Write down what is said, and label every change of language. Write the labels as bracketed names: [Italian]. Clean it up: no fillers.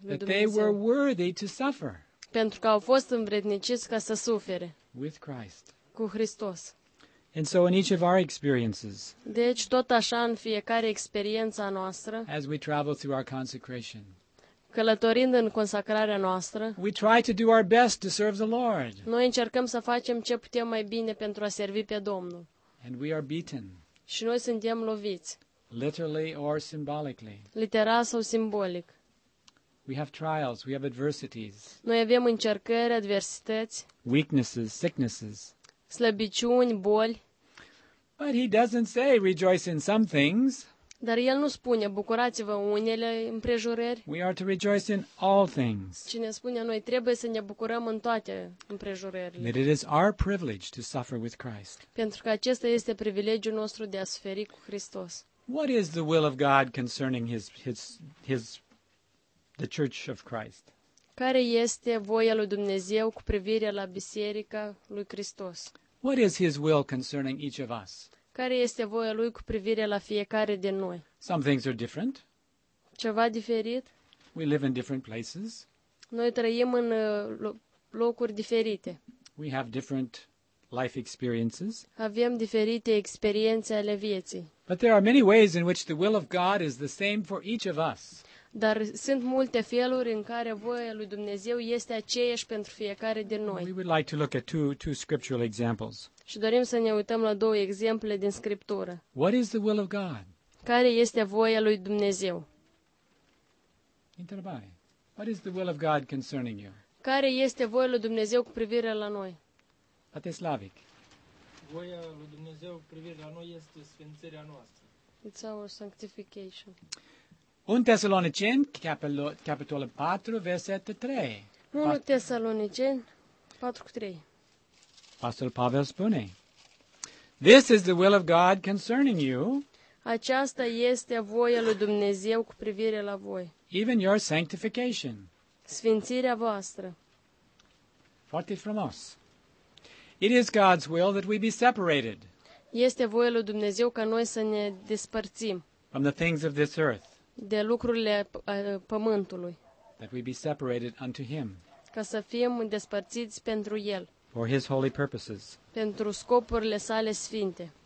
[English] That they were worthy to suffer. [Romanian] Pentru că au fost învredniciți ca să sufere. [English] With Christ. [Romanian] Cu Hristos. [English] And so in each of our experiences. [Romanian] Deci tot așa în fiecare experiența noastră. [English] As we travel through our consecration. [Romanian] Călătorind în consacrarea noastră. [English] We try to do our best to serve the Lord. [Romanian] Noi încercăm să facem ce putem mai bine pentru a servi pe Domnul. [English] And we are beaten. [Romanian] Și noi suntem loviți. [English] Literally or symbolically. [Romanian] Literal sau simbolic. [English] We have trials, we have adversities. [Romanian] Noi avem încercări, adversități. [English] Weaknesses, sicknesses. [Romanian] Slăbiciuni, boli. [English] But he doesn't say rejoice in some things. [Romanian] Dar el nu spune bucurați-vă unele împrejurări. [English] We are to rejoice in all things. [Romanian] Ci ne spune noi trebuie să ne bucurăm în toate împrejurările. [English] That it is our privilege to suffer with Christ. [Romanian] Pentru că acesta este privilegiul nostru de a suferi cu Hristos. [English] What is the will of God concerning his the church of Christ? [Romanian] Care este voia lui Dumnezeu cu privire la biserica lui Hristos? [English] What is his will concerning each of us? [Romanian] Care este voia lui cu privire la fiecare din noi? [English] Some things are different. [Romanian] Ceva diferit. [English] We live in different places. [Romanian] Noi trăim în locuri diferite. [English] We have different life experiences. [Romanian] Avem diferite experiențe ale vieții. [English] But there are many ways in which the will of God is the same for each of us. [Romanian] Dar sunt multe feluri în care voia lui Dumnezeu este aceeași pentru fiecare din noi. [English] We would like to look at two scriptural examples. [Romanian] Și dorim să ne uităm la două exemple din Scriptură. [English] What is the will of God? [Romanian] Care este voia lui Dumnezeu? Întrebare. [English] What is the will of God concerning you? [Romanian] Care este voia lui Dumnezeu cu privire la noi? Ateslavic. Voia lui Dumnezeu cu privire la noi este sfințirea noastră. [English] It's our sanctification. [Romanian] 1 Tesaloniceni, capitolul 4, versetul 3. 1 Tesaloniceni, 4:3. Pastor Pavel spune, [English] this is the will of God concerning you. [Romanian] Aceasta este voia lui Dumnezeu cu privire la voi. [English] Even your sanctification. [Romanian] Sfințirea voastră. Foarte frumos. [English] It is God's will that we be separated. [Romanian] Este voia lui Dumnezeu ca noi să ne despărțim. [English] From the things of this earth. [Romanian] De lucrurile pământului. [English] That we be separated unto him. [Romanian] Ca să fim despărțiți pentru el. [English] For his holy purposes. [Romanian] Pentru scopurile sale sfinte.